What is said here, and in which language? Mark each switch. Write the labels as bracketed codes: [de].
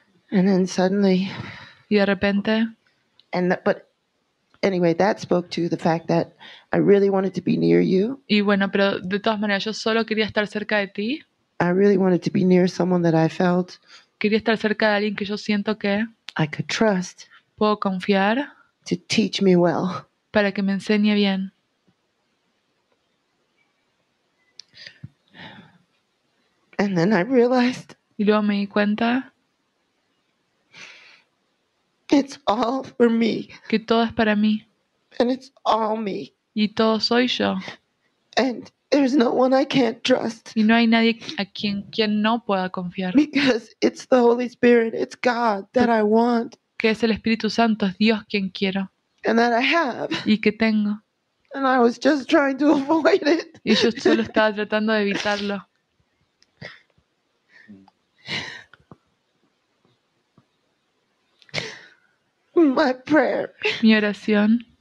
[en] And then suddenly, [es] y de repente, [en] and the, but anyway, that spoke to the fact that I really wanted to be near you. [es] Y bueno, pero de todas maneras, yo solo quería estar cerca de ti. [en] I really wanted to be near someone that I felt. [es] Quería estar cerca de alguien que yo siento que [en] I could trust. [es] Puedo confiar. [en] To teach me well. [es] Para que me enseñe bien. [en] And then I realized. [es] Y luego me di cuenta. [en] It's all for me. [es] Que todo es para mí. [en] And it's all me. [es] Y todo soy yo. [en] And there's no one I can't trust. [es] Y no hay nadie a quien no pueda confiar. [en] Because it's the Holy Spirit, it's God that I want. [es] Que es el Espíritu Santo, es Dios quien quiero. [en] And that I have. [es] Y que tengo. [en] And I was just trying to avoid it. [es] Y yo solo estaba tratando de evitarlo. [en] My prayer. [es] Mi oración.